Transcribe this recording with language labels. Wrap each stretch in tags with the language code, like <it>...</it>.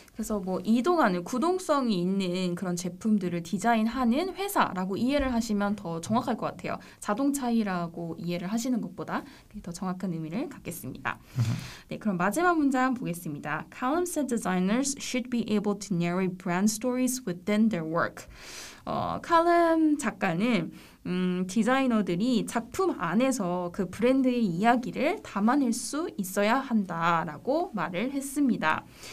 <ko>그래서 뭐 이동하는 구동성이 있는 그런 제품들을 디자인하는 회사라고 이해를 하시면 더 정확할 것 같아요. 자동차이라고 이해를 하시는 것보다 더 정확한 의미를 갖겠습니다. Mm-hmm. 네, 그럼 마지막 문장 보겠습니다.</ko> <en>Callum said designers should be able to narrate brand stories within their work.</en> <ko>Callum 작가는 디자이너들이 작품 안에서 그 브랜드의 이야기를 담아낼 수 있어야 한다라고 말을 했습니다.</ko>